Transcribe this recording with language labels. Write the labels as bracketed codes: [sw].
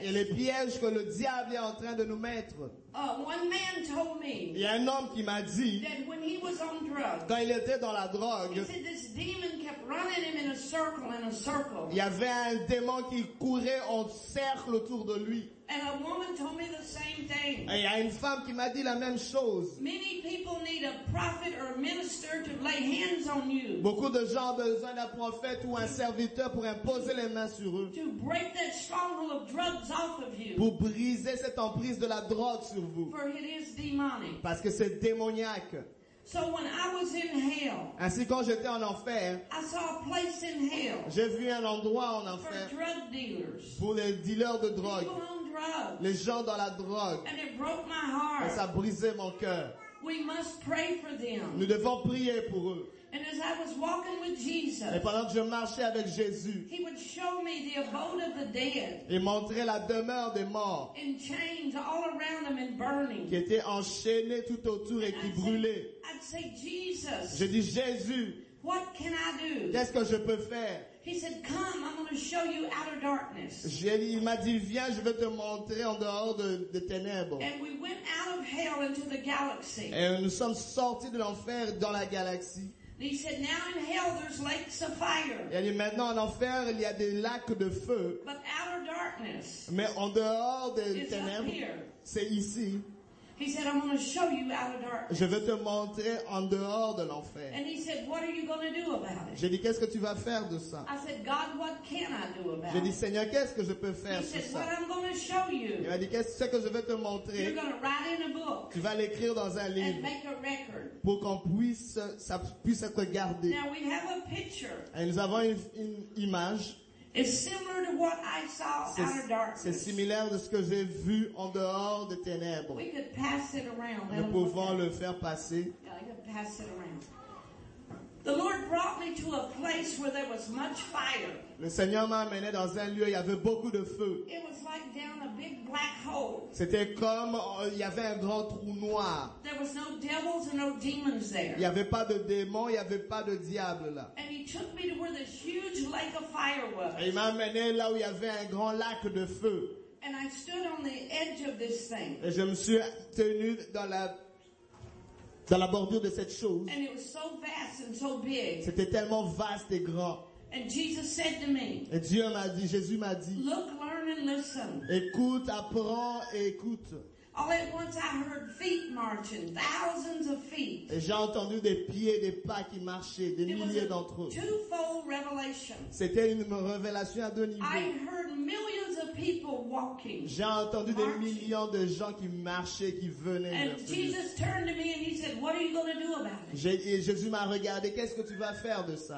[fr] Et les pièges que le diable est en train de nous mettre. [en] One man told me. [fr] Il y a un homme qui m'a dit. [en] That when he was on drugs. [fr] Quand il était dans la drogue. [en] He said this demon kept running him in a circle, in a circle. [fr] Il y avait un démon qui courait en cercle autour de lui. [en] And a woman told me the same thing. [fr] Et il y a une femme qui m'a dit la même chose. [en] Many people need a prophet or a minister to lay hands on you. [fr] Beaucoup de gens ont besoin d'un prophète ou un serviteur pour imposer les mains sur eux. [en] To break that stronghold of drugs off of you. [fr] Pour briser cette emprise de la drogue sur vous. [en] For it is demonic. [fr] Parce que c'est démoniaque. [en] So when I was in hell, [fr] ainsi quand j'étais en enfer, [en] I saw a place in hell. [fr] J'ai vu un endroit en enfer. [en] For drug dealers. [fr] Pour les dealers de drogue. [en] People on drugs. [fr] Les gens dans la drogue. [en] And it broke my heart. [fr] Et ça brisait mon cœur. [en] We must pray for them. [fr] Nous devons prier pour eux. [en] And as I was walking with Jesus, [fr] et pendant que je marchais avec Jésus, [en] he would show me the abode of the dead. [fr] Il montrait la demeure des morts. [en] In chains all around them and burning. [fr] Qui était enchaîné tout autour et qui brûlait. [en] I'd say, Jesus. [fr] Je dis Jésus. [en] What can I do? [fr] Qu'est-ce que je peux faire? [en] He said, "Come, I'm going to show you outer darkness." [fr] Il m'a dit, viens, je vais te montrer en dehors de ténèbres. [en] And we went out of hell into the galaxy. [fr] Et nous sommes sortis de l'enfer dans la galaxie. [en] And he said, "Now in hell there's lakes of fire." [fr] Et il dit, maintenant en enfer il y a des lacs de feu. [en] But outer darkness. [fr] Mais en dehors des ténèbres, c'est ici. [en] He said, "I'm going to show you out of darkness." [fr] Je vais te montrer en dehors de l'enfer. [en] And he said, "What are you going to do about it?" [fr] J'ai dit, qu'est-ce que tu vas faire de ça? [en] I said, "God, what can I do about it?" [fr] J'ai dit, Seigneur, qu'est-ce que je peux faire sur [en] He said, "What I'm going to show you." [fr] Il m'a dit, qu'est-ce que je vais te montrer? [en] You're going to write in a book. [fr] Tu vas l'écrire dans un livre. [en] And make a record. [fr] Pour qu'on puisse, ça puisse être gardé. [en] Now we have a picture. [fr] Et nous avons une image. [en] It's similar to what I saw out of darkness. [fr] C'est similaire de ce que j'ai vu en dehors des ténèbres. [en] We could pass it around. [fr] Nous pouvons le faire passer. [en] Yeah, I could pass it around. The Lord brought me to a place where there was much fire. [fr] Le Seigneur m'a amené dans un lieu où il y avait beaucoup de feu. [en] It was like down a big black hole. [fr] C'était comme il y avait un grand trou noir. [en] There was no devils and no demons there. [fr] Il n'y avait pas de démons, il n'y avait pas de diables là. [en] And he took me to where this huge lake of fire was. [fr] Et il m'a amené là où il y avait un grand lac de feu. [en] And I stood on the edge of this thing. [fr] Et je me suis tenu dans la bordure de cette chose. [en] And it was so vast and so big. [fr] C'était tellement vaste et grand. [en] And Jesus said to me. [fr] Et Dieu m'a dit, Jésus m'a dit. [en] Look, learn and listen. [fr] Écoute, apprends et écoute. [en] All at once I heard feet marching, thousands of feet. [fr] Et j'ai entendu des pieds, des pas qui marchaient, des milliers d'entre eux. [en] Twofold revelation. [fr] C'était une révélation à deux niveaux. [en] I heard millions of people walking. [fr] J'ai entendu des millions de gens qui marchaient, qui venaient. [en] And Jesus turned to me and he said, "What are you going to do about it?" [fr] Et Jésus m'a regardé, qu'est-ce que tu vas faire de ça?